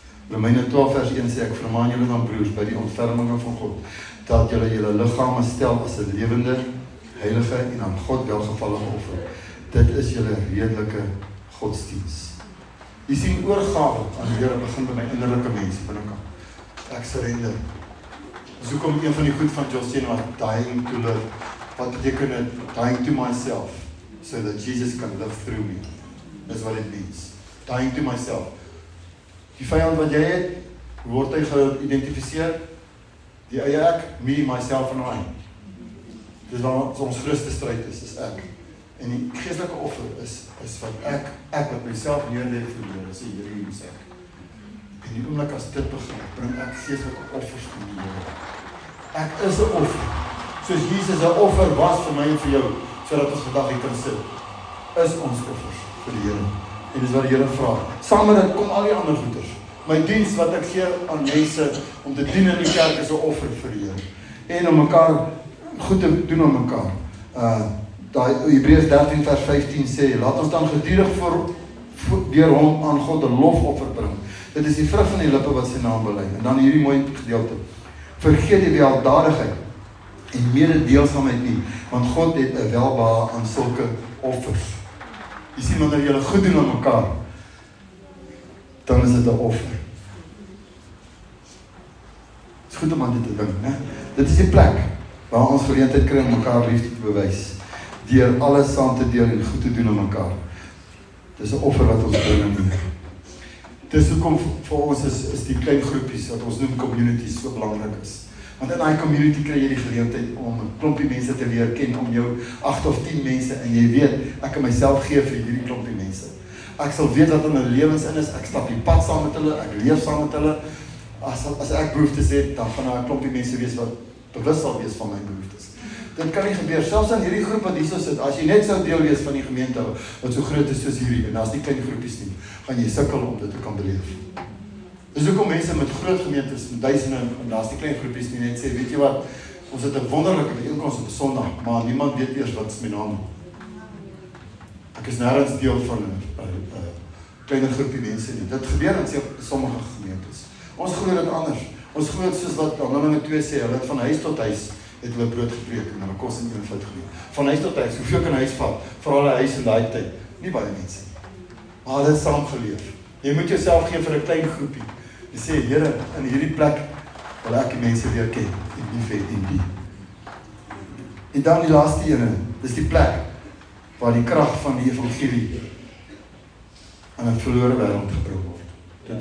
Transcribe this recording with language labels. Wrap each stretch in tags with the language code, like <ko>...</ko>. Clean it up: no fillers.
<af>Romeine 12 vers 1 sê, ek vermaan julle dan broers by die ontferminge van God, dat julle julle liggame stel as 'n lewende, heilige en aan God welgevallige offer. Dit is julle redelike godsdiens. Jy sien oorgawe aan die Here begin by my innerlike mens binnekant. Ek surrender. So kom een van die goed van Josien wat dying to live. Wat beteken dit?</af> <en>Dying to myself so that Jesus can live through me.</en> <af>Dis wat dit means.</af> <en>Dying to myself.</en> <af>Die vyand wat jy het, word hy geïdentifiseer? Die eie ek,</af> <en>me, myself and I.</en> <af>Dis wat ons grootste stryd is, is ek. En die geestelike offer is wat ek wat myself neerlê vir die Here, sê Here Jesus. En die oomblik as dit begin, bring ek geestelike offers vir die Here. Ek is 'n offer. Soos Jesus 'n offer was vir my en vir jou, sodat ons vandag hier kan sit, is ons offers vir die Here. En dis wat die Here vra. Saam met dit kom al die ander goeders. My diens wat ek gee aan mense om te dien in die kerk is 'n offer vir die Here. En om mekaar goed te doen aan mekaar. Daar Hebreërs 13 vers 15 sê, laat ons dan gedurig deur hom aan God 'n lofoffer bring. Dit is die vrug van die lippe wat sy naam bely. En dan hierdie mooi gedeelte. Vergeet die weldadigheid en mededeelsaamheid nie, want God het 'n welbehae aan sulke offers. Jy sien wanneer jy goed doen aan mekaar, dan is dit 'n offer. Dit is goed om aan dit te dink, né? Dit is die plek waar ons geleentheid kry om mekaar liefde te bewys. Deur alles saam te deel en goed te doen aan mekaar. Dis 'n offer wat ons bring aan die Here. Dis hoekom vir ons is die klein groepies wat ons noem communities so belangrik is. Want in daai community kry jy die geleentheid om 'n klompie mense te leer ken, om jou 8 of 10 mense en jy weet, ek kan myself gee vir hierdie klompie mense. Ek sal weet wat hulle lewens in is, ek stap die pad saam met hulle, ek leef saam met hulle. As ek behoeftes het, dan gaan daar 'n klompie mense wees wat bewus sal wees van my behoeftes. Dit kan nie gebeur, selfs in hierdie groep wat hierso sit, as jy net sou deel wees van die gemeente wat so groot is soos hierdie, en daar's nie klein groepies nie, gaan jy sukkel om dit te kan beleef. Dis hoekom mense met groot gemeentes, met duisende, en daar's nie klein groepies nie, net sê, weet jy wat, ons het 'n wonderlike bijeenkomst op 'n Sondag, maar niemand weet eers wat is my naam. Ek is nêrens deel van 'n kleiner groepie mense nie. Dit gebeur in sommige gemeentes. Ons glo dit anders. Ons glo soos wat Handelinge 2 sê, hulle het van huis tot huis het hulle brood gepreek en hulle kos in eenvoud gedeel. Van huis tot huis, hoeveel kan huis vat? Veral hulle huis in daai tyd, nie baie mense nie. Maar hulle het saam geleef. Jy moet jouself gee vir 'n klein groepie. Jy sê, Here, in hierdie plek wil ek die mense weer ken en lief hê en die. En dan die laaste ene, dis die plek waar die krag van die evangelie aan 'n verlore wêreld gebring word.</af>